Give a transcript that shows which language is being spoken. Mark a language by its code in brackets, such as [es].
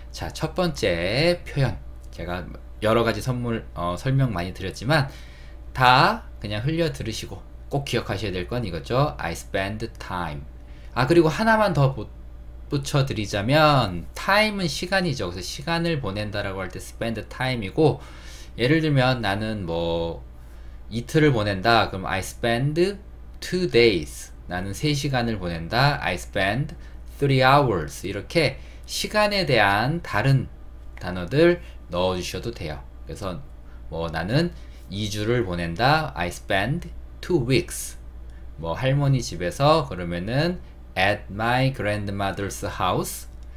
[ko] 자, 첫 번째 표현. 제가 여러 가지 설명 많이 드렸지만 다 그냥 흘려 들으시고 꼭 기억하셔야 될건 이거죠. [en] I spend time. [ko] 아, 그리고 하나만 더 붙여 드리자면 time은 시간이죠. 그래서 시간을 보낸다라고 할때 [en] spend time [ko] 이고, 예를 들면 나는 뭐 이틀을 보낸다. 그럼 [en] I spend 2 days. [ko] 나는 3시간을 보낸다. [en] I spend 3 hours. [ko] 이렇게 시간에 대한 다른 단어들 넣어주셔도 돼요. 그래서 뭐 나는 2주를 보낸다. [en] I spend 2 weeks. [ko] 뭐 할머니 집에서, 그러면은 [en] at my grandmother's house.